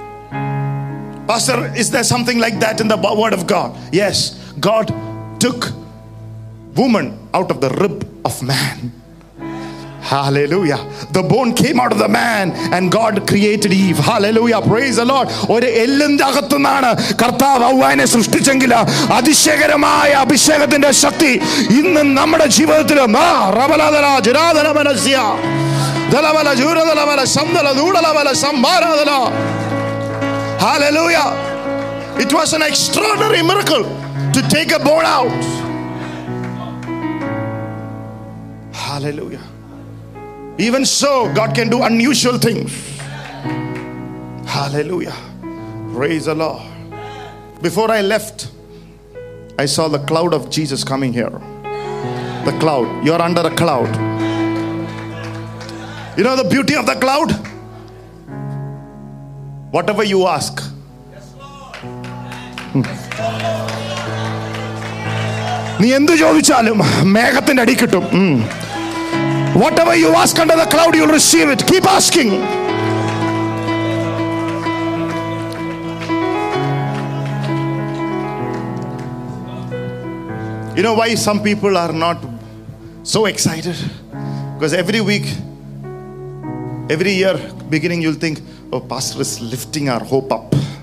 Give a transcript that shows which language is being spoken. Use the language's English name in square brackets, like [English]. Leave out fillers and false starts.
[English] Pastor, is there something like that in the word of God? Yes. God took woman out of the rib of man. Hallelujah. The bone came out of the man and God created Eve. Hallelujah. Praise the Lord. [Malayalam] ഒരു എല്ലിന്റെ അകത്തുനിന്നാണ് കർത്താവ് ഹവ്വയെ സൃഷ്ടിച്ചെങ്കിൽ അതിശയകരമായ അഭിഷേകത്തിന്റെ ശക്തി ഇന്ന് നമ്മുടെ ജീവിതത്തിലും Hallelujah. [English] It was an extraordinary miracle to take a bone out. Hallelujah. Even so, God can do unusual things. Hallelujah. Praise the Lord. Before I left, I saw the cloud of Jesus coming here. The cloud. You are under a cloud. You know the beauty of the cloud? Whatever you ask. Yes, Lord. [Malayalam] നീ എന്തു ചോദിച്ചാലും മേഘത്തിന്റെ അടി കിട്ടും. [English] Whatever you ask under the cloud, you'll receive it. Keep asking. You know why some people are not so excited? Because every week, every year beginning, you'll think, oh, pastor is lifting our hope up.